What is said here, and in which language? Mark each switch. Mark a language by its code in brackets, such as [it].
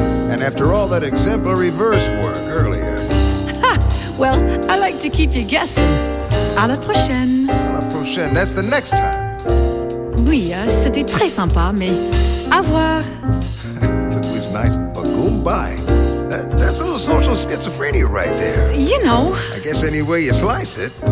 [en] And after all that exemplary verse work earlier. Well, I like to keep you guessing. [fr] À la prochaine. [en] That's the next time. [fr] Oui, c'était très sympa, mais au revoir. [en] It was nice, but goodbye. That's a little social schizophrenia right there. You know. I guess any way you slice it,